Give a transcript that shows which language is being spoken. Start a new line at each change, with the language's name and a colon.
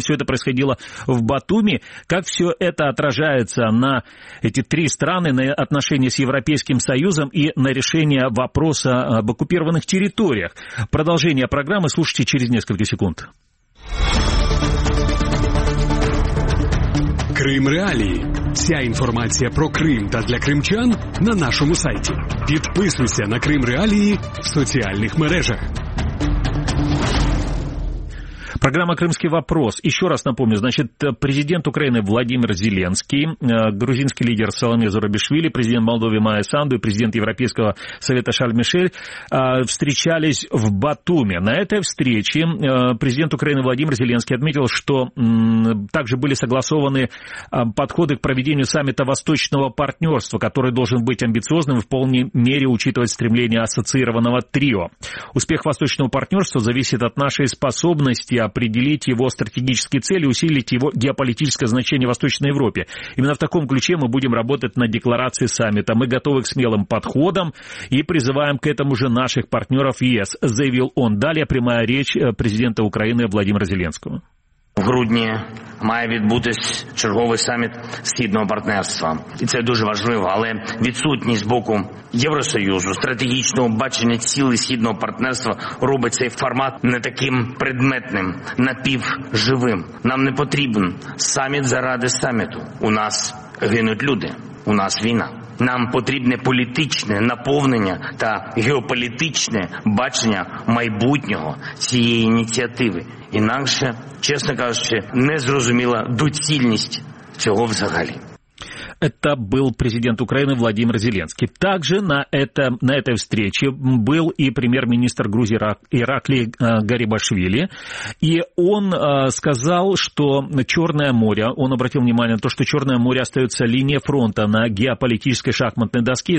Russian: Все это происходило в Батуми. Как все это отражается на эти три страны, на отношения с Европейским Союзом и на решение вопроса об оккупированных территориях? Продолжение программы слушайте через несколько секунд.
Ukrainian: Крым Реалії. Вся інформація про Крим та для кримчан на нашому сайті. Підписуйся на Крим Реалії в соціальних мережах.
Russian: Программа «Крымский вопрос». Еще раз напомню, значит, президент Украины Владимир Зеленский, грузинский лидер Саломе Зурабишвили, президент Молдовы Майя Санду и президент Европейского совета Шарль Мишель встречались в Батуми. На этой встрече президент Украины Владимир Зеленский отметил, что также были согласованы подходы к проведению саммита Восточного партнерства, который должен быть амбициозным и в полной мере учитывать стремление ассоциированного трио. Успех Восточного партнерства зависит от нашей способности определить его стратегические цели, усилить его геополитическое значение в Восточной Европе. Именно в таком ключе мы будем работать на декларации саммита. Мы готовы к смелым подходам и призываем к этому же наших партнеров ЕС, заявил он. Далее прямая речь президента Украины Владимира Зеленского.
Ukrainian: В грудні має відбутись черговий саміт Східного партнерства. І це дуже важливо, але відсутність з боку Євросоюзу, стратегічного бачення цілі Східного партнерства робить цей формат не таким предметним, напівживим. Нам не потрібен саміт заради саміту. У нас гинуть люди, у нас війна. Нам потрібне політичне наповнення та геополітичне бачення майбутнього цієї ініціативи. Інакше, чесно кажучи, не зрозуміла доцільність цього взагалі.
Russian: Это был президент Украины Владимир Зеленский. Также на этой встрече был и премьер-министр Грузии Ираклий Гарибашвили. И он сказал, что Черное море, он обратил внимание на то, что Черное море остается линией фронта на геополитической шахматной доске.